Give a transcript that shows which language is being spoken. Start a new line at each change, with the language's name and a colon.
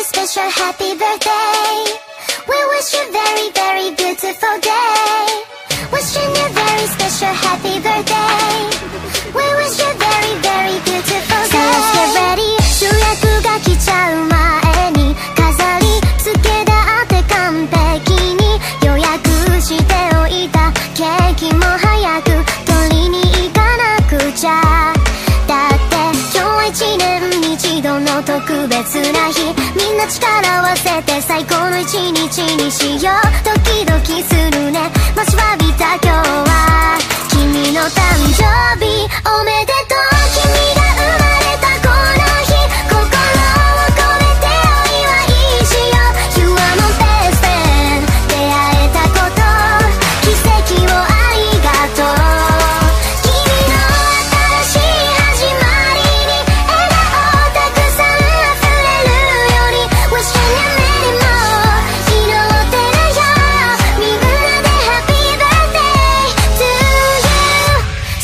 English: special happy birthday. We wish you very, very beautiful day. Wishing you very special happy birthday. We wish you very, very beautiful day. So let's get ready.
Japanese: 主役が来ちゃう前に飾り付けだって完璧に予約しておいたケーキも早く取りに行かなくちゃ。だって今日は一年に一度の特別な日。みんな力を合わせて最高の一日にしよう。ドキドキするね待ちわびた今日は君の誕生日おめでとう。君が生まれたこの日心を込めてお祝いしよう。
English: You are my best friend
Japanese: 出会えたこと奇跡をありがとう。君の新しい始まりに笑顔たくさん溢れるように。
English: Wishing you many more
Japanese: 色を照らよう。みんなで
English: Happy birthday to you.